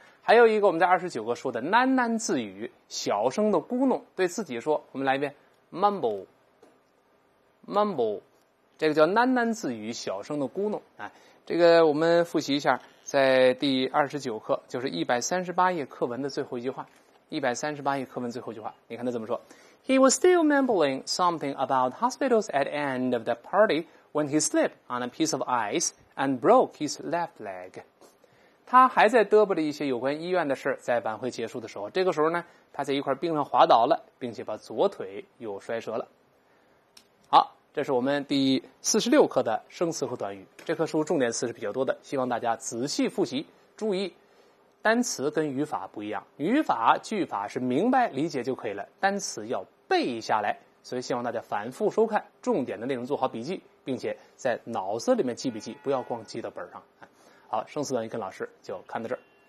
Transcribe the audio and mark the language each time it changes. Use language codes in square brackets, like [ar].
[zh] 还有一个我们在29个说的喃喃自语，小声的咕弄，对自己说，我们来一遍 mumble 这个叫喃喃自语，小声的咕弄。这个我们复习一下，在第29课，就是138页课文的最后一句话，138页课文最后一句话，你看他怎么说。 [en] He was still mumbling something about hospitals at the end of the party when he slipped on a piece of ice and broke his left leg. [zh] 他还在嘚啵着一些有关医院的事，在晚会结束的时候，这个时候呢，他在一块冰上滑倒了，并且把左腿又摔折了。好，这是我们第46课的生词和短语，这课书重点词是比较多的，希望大家仔细复习，注意单词跟语法不一样，语法句法是明白理解就可以了，单词要背下来，所以希望大家反复收看重点的内容，做好笔记，并且在脑子里面记笔记，不要光记到本上。好，生词短语跟老师就看到这儿。